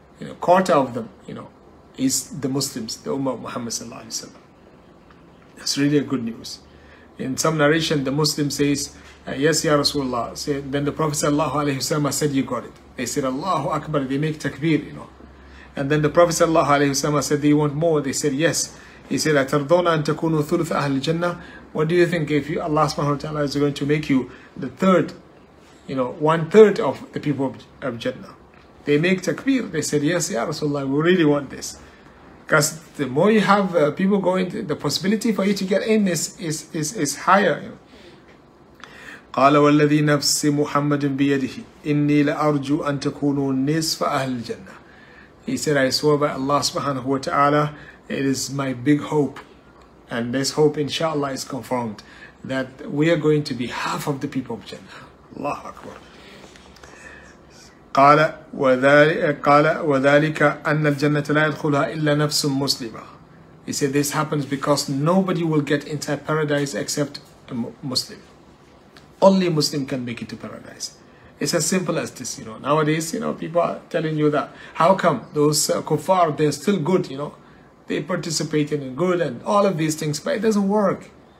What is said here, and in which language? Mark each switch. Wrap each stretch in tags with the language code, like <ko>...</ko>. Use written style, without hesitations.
<en>You know, quarter of them, you know, is the Muslims, the Ummah of Muhammad sallallahu alayhi wa sallam. That's really a good news. In some narration, the Muslim says, yes, Ya Rasulullah. Then the Prophet sallallahu alayhi wasallam said, you got it. They said, Allahu Akbar. They make takbir, you know. And then the Prophet sallallahu alayhi wasallam said, do you want more? They said, yes.</en> <ar>He said, أَتَرْضَوْنَ أَن تَكُونُوا ثُلُثَ أَهْلِ الْجَنَّةِ.</ar> <en>What do you think if you, Allah subhanahu wa ta'ala is going to make you the third, you know, one third of the people of Jannah? They make takbir. They said, yes, Ya Rasulullah, we really want this. Because the more you have people going, the possibility for you to get in is higher.</en> <ar>قَالَ وَالَّذِي نَفْسِ مُحَمَّدٍ بِيَدِهِ إِنِّي لَأَرْجُوا أَن تَكُونُوا نِصْفَ أَهْلِ الْجَنَّةِ.</ar> <en>He said, I swear by Allah subhanahu wa ta'ala, it is my big hope, and this hope inshallah is confirmed, that we are going to be half of the people of Jannah. Allahu Akbar.</en> <ar>قال وذلك أن الجنة لا يدخلها إلا نفس مسلمة.</ar> <en>He said this happens because nobody will get into paradise except a Muslim. Only Muslim can make it to paradise. It's as simple as this, you know. Nowadays, you know, people are telling you that how come those kuffar, they're still good, you know. They participate in good and all of these things, but it doesn't work.</en>